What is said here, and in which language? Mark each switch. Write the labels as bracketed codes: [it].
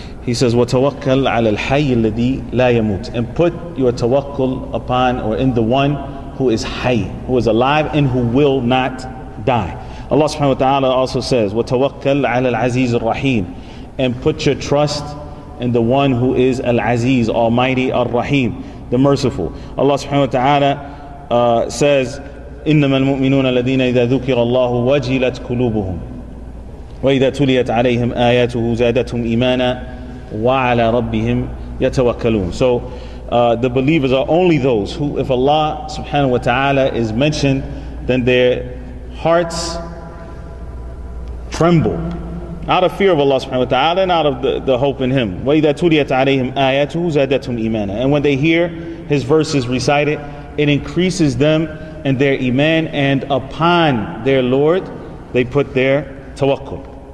[en] He says, [ar] "Watawakkal ala al-hayy alladhi la yamut," [en] and put your tawakkul upon or in the one who is hay, who is alive and who will not die. Allah subhanahu wa ta'ala also says, [ar] "Watawakkal ala al-aziz al-rahim," [en] and put your trust in the one who is al-aziz, almighty, al-rahim, the merciful. Allah subhanahu wa ta'ala says, [ar] "إنما المؤمنون الذين إذا ذكر الله وجلت قلوبهم وإذا تليت عليهم آياته زادتهم إيمانا وعلى ربهم يتوكلون." [en] So the believers are only those who, if Allah subhanahu wa ta'ala is mentioned, then their hearts tremble out of fear of Allah subhanahu wa ta'ala and out of the hope in Him. [ar] وَإِذَا تُلِيَتْ عَلَيْهِمْ آيَاتُهُ زَادَتْهُمْ إِيمَانًا, [en] and when they hear His verses recited, it increases them and their iman, and upon their Lord they put their tawakkul.